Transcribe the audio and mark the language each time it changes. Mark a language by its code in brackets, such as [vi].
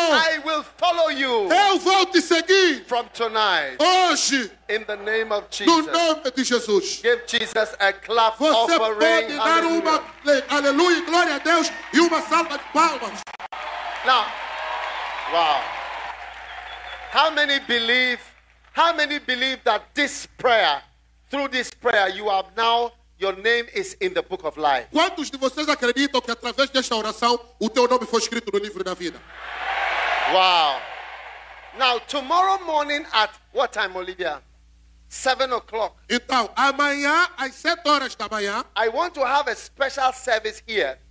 [en] I will follow you. [pt] Eu vou te seguir. [en] From tonight. [pt] Hoje. [en] In the name of Jesus. [pt] No nome de Jesus. [en] Give Jesus a clap [pt] Você [en] offering. [pt] Pode dar uma aleluia, glória a Deus e uma salva de palmas. [en] Now. Wow. How many believe that this prayer, through this prayer, you have now, your name is in the book of life? [pt] Quantos de vocês acreditam que através desta oração, o teu nome foi escrito no livro da vida? [en] Wow. Now, tomorrow morning at what time, Olivia? 7 o'clock. [pt] Então, amanhã, às 7 horas da manhã. [en] I want to have a special service here.